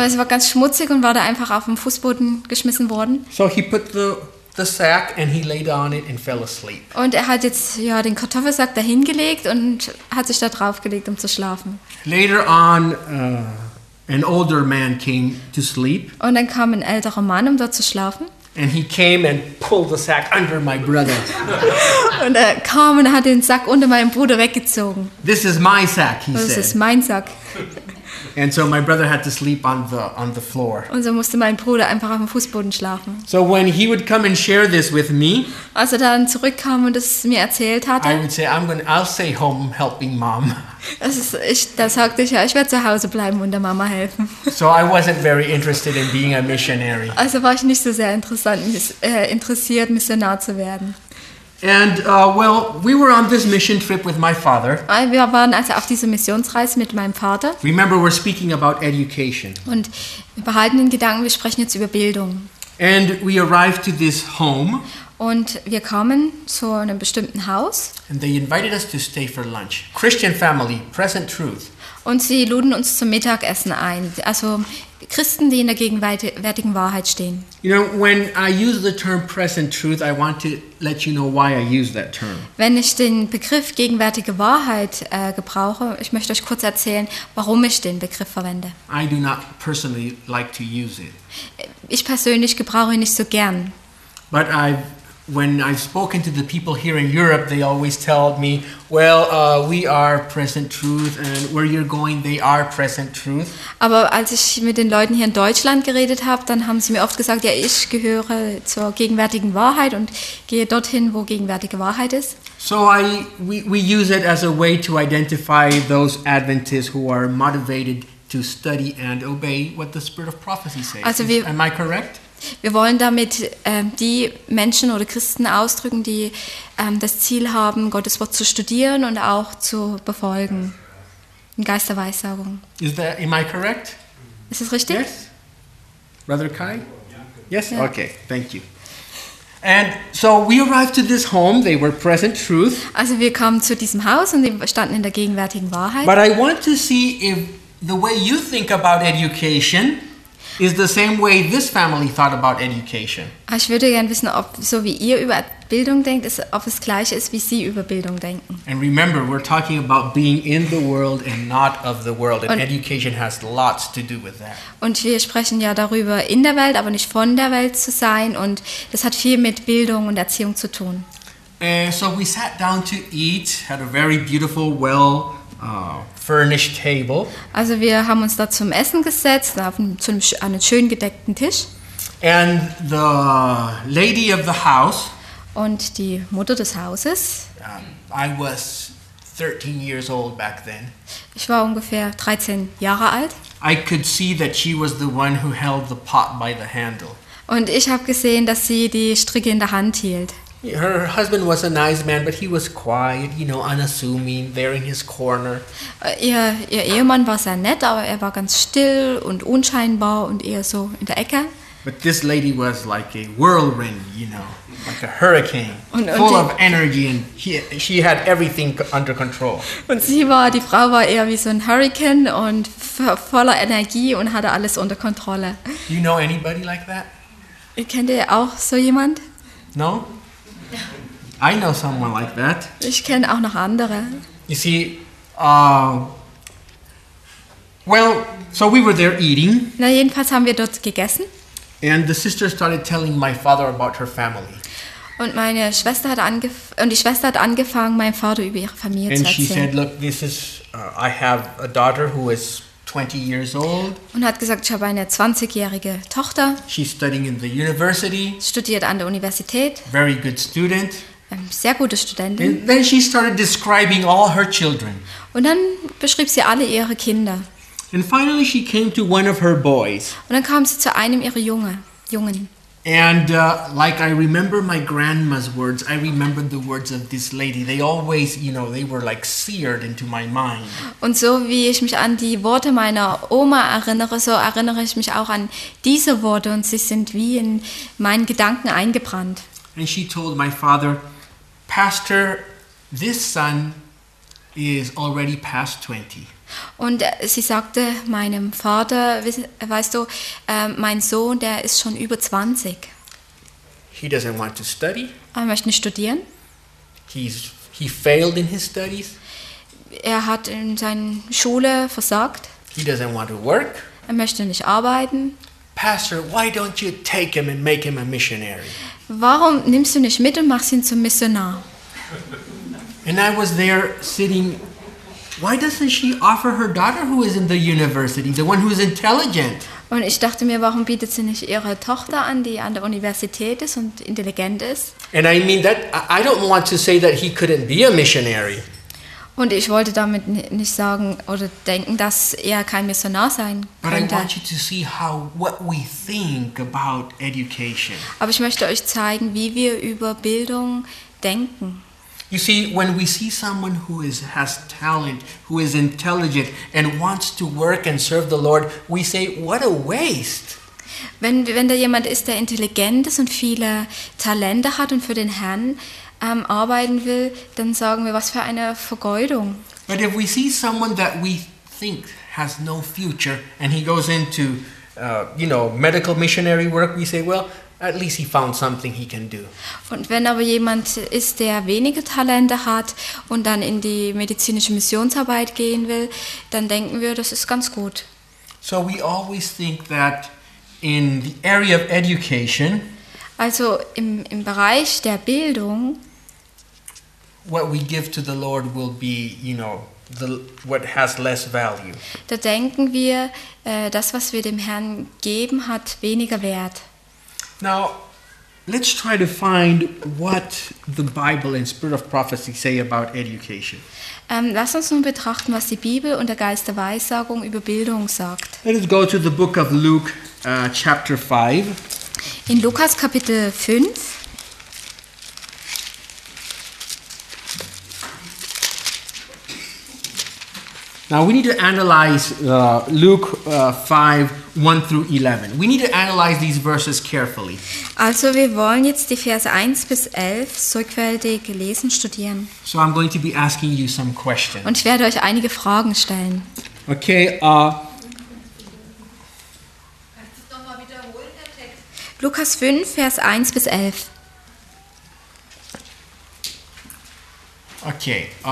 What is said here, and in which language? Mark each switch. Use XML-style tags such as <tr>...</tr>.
<de>Aber es war ganz schmutzig und war da einfach auf dem Fußboden geschmissen worden.</de> <en>So he put the sack and he laid on it and fell asleep.</en> <de>Und er hat jetzt ja den Kartoffelsack dahin gelegt und hat sich da drauf gelegt, um zu schlafen.</de> <en>Later on an older man came to sleep.</en> <de>Und dann kam ein älterer Mann, um dort zu schlafen.</de> <en>And he came and pulled the sack under my brother.</en> <de>Und er kam und hat den Sack unter meinem Bruder weggezogen.</de> <en>This is my sack, he said.</en> <de>Das ist mein Sack.</de> <en>And so my brother had to sleep on the floor.</en> <de>Und so musste mein Bruder einfach auf dem Fußboden schlafen.</de> <en>So when he would come and share this with me,</en> <de>als er dann zurückkam und es mir erzählt hatte,</de> <en>I would say, I'll stay home helping mom.</en> <de>Da sagte ich ja, ich werde zu Hause bleiben und der Mama helfen.</de> <en>So I wasn't very interested in being a missionary.</en> <de>Also war ich nicht so sehr interessiert, Missionar zu werden.</de> <en>And we were on this mission trip with my father.</en> <de>Wir waren also auf dieser Missionsreise mit meinem Vater.</de> <en>Remember, we're speaking about education.</en> <de>Und wir behalten den Gedanken, wir sprechen jetzt über Bildung.</de> <en>And we arrived to this home.</en> <de>Und wir kamen zu einem bestimmten Haus.</de> <en>And they invited us to stay for lunch. Christian family, present truth.</en> <de>Und sie luden uns zum Mittagessen ein. Also Christen, die in der gegenwärtigen Wahrheit stehen.</de> <en>You know, when I use the term present truth, I want to let you know why I use that term.</en> <de>Wenn ich den Begriff gegenwärtige Wahrheit gebrauche, ich möchte euch kurz erzählen, warum ich den Begriff verwende.</de> <en>I do not personally like to use it.</en> <de>Ich persönlich gebrauche ihn nicht so gern.</de> <en>But when I've spoken to the people here in Europe, they always tell me, well, we are present truth, and where you're going, they are present truth.</en> <de>Aber als ich mit den Leuten hier in Deutschland geredet habe, dann haben sie mir oft gesagt, ja, ich gehöre zur gegenwärtigen Wahrheit und gehe dorthin, wo gegenwärtige Wahrheit ist.</de> <en>So we use it as a way to identify those Adventists who are motivated to study and obey what the Spirit of Prophecy says.</en> <de>Also</de> <en>am I correct?</en> <de>Wir wollen damit die Menschen oder Christen ausdrücken, die das Ziel haben, Gottes Wort zu studieren und auch zu befolgen. In Geisterweissagung.</de> <en>Am I correct?</en> <de>Ist das richtig?</de> <en>Yes. Brother Kai? Yes? Yeah. Okay, thank you. And so we arrived to this home, they were present truth.</en> <de>Also wir kamen zu diesem Haus und wir standen in der gegenwärtigen Wahrheit.</de> <en>But I want to see if the way you think about education is the same way this family thought about education.</en> <de>Ich würde gerne wissen, ob so wie ihr über Bildung denkt, ob es gleich ist, wie sie über Bildung denken.</de> <en>And remember, we're talking about being in the world and not of the world, and education has lots to do with that.</en> <de>Und wir sprechen ja darüber, in der Welt, aber nicht von der Welt zu sein, und das hat viel mit Bildung und Erziehung zu tun.</de> <en>So we sat down to eat, had a very beautiful, well furnished table.</en> <de>Also wir haben uns da zum Essen gesetzt, an einen schön gedeckten Tisch.</de> <en>And the lady of the house.</en> <de>Und die Mutter des Hauses.</de> <en>I was 13 years old back then.</en> <de>Ich war ungefähr 13 Jahre alt.</de> <en>I could see that she was the one who held the pot by the handle.</en> <de>Und ich habe gesehen, dass sie die Stricke in der Hand hielt.</de> <en>Her husband was a nice man, but he was quiet, you know, unassuming, there in his corner.</en> <de>Ihr Ehemann war sehr nett, aber er war ganz still und unscheinbar und eher so in der Ecke.</de> <en>But this lady was like a whirlwind, you know, like a hurricane, of energy, and she had everything under control.</en> <de>Und die Frau war eher wie so ein Hurricane und voller Energie und hatte alles unter Kontrolle.</de> <en>Do you know anybody like that?</en> <de>Kennt ihr auch so jemand?</de> <en>No? I know someone like that.</en> <de>Ich kenne auch noch andere.</de> <en>You see, so we were there eating.</en> <de>Na, jedenfalls haben wir dort gegessen.</de> <en>And the sister started telling my father about her family.</en> <de>Und die Schwester hat angefangen, meinem Vater über ihre Familie</de> <en>and</en> <de>zu erzählen.</de> <en>And she said, look, this is, I have a daughter who is 20 years old.</en> <de>Und hat gesagt, ich habe eine 20-jährige Tochter.</de> <en>She's studying in the university.</en> <de>Studiert an der Universität.</de> <en>Very good student.</en> <de>sehr gute Studentin.</de> <en>And then she started describing all her children.</en> <de>Und dann beschrieb sie alle ihre Kinder.</de> <en>And finally she came to one of her boys.</en> <de>Und dann kam sie zu einem ihrer Jungen.</de> <en>And like I remember my grandma's words, I remember the words of this lady. They always, you know, they were like seared into my mind.</en> <de>Und so wie ich mich an die Worte meiner Oma erinnere, so erinnere ich mich auch an diese Worte und sie sind wie in meinen Gedanken eingebrannt.</de> <en>And she told my father, "Pastor, this son is already past 20."</en> <de>Und sie sagte meinem Vater, weißt du, mein Sohn, der ist schon über 20.</de> <en>He doesn't want to study.</en> <de>Er möchte nicht studieren.</de> <en>He failed in his studies.</en> <de>Er hat in seiner Schule versagt.</de> <en>He doesn't want to work.</en> <de>Er möchte nicht arbeiten.</de> <en>Pastor, why don't you take him and make him a missionary?</en> <de>Warum nimmst du nicht mit und machst ihn zum Missionar?</de> <en>And I was there sitting. Why doesn't she offer her daughter, who is in the university, the one who is intelligent?</en> <de>Und ich dachte mir, warum bietet sie nicht ihre Tochter an, die an der Universität ist und intelligent ist?</de> <en>And I mean that I don't want to say that he couldn't be a missionary.</en> <de>Und ich wollte damit nicht sagen oder denken, dass er kein Missionar sein könnte.</de> <en>But I want you to see how what we think about education.</en> <de>Aber ich möchte euch zeigen, wie wir über Bildung denken.</de> <en>You see, when we see someone who has talent, who is intelligent and wants to work and serve the Lord, we say, what a waste.</en> <de>Wenn da jemand ist, der intelligent ist und viele Talente hat und für den Herrn arbeiten will, dann sagen wir, was für eine Vergeudung.</de> <en>But if we see someone that we think has no future and he goes into medical missionary work, we say, well, at least he found something he can do.</en> <de>Und wenn aber jemand ist, der wenige Talente hat und dann in die medizinische Missionsarbeit gehen will, dann denken wir, das ist ganz gut.</de> <en>So we always think that in the area of education,</en> <de>also im Bereich der Bildung,</de> <en>what we give to the Lord will be, what has less value.</en> <de>Da denken wir, das was wir dem Herrn geben, hat weniger Wert.</de> <en>Now, let's try to find what the Bible and Spirit of Prophecy say about education.</en> <de>Lass uns nun betrachten, was die Bibel und der Geist der Weissagung über Bildung sagt.</de> <en>Let us go to the book of Luke, chapter 5.</en> <de>In Lukas Kapitel 5.</de> <en>Now we need to analyze Luke 5, 1 through 11. We need to analyze these verses carefully.</en> <de>Also, wir wollen jetzt die Verse 1 bis 11 sorgfältig lesen, studieren.</de> <en>So I'm going to be asking you some questions.</en> <de>Und ich werde euch einige Fragen stellen.</de> <en>Okay.</en> <de>Kannst du es nochmal wiederholen, der Text? Lukas 5, Vers 1 bis 11.</de> <en>Okay.</en>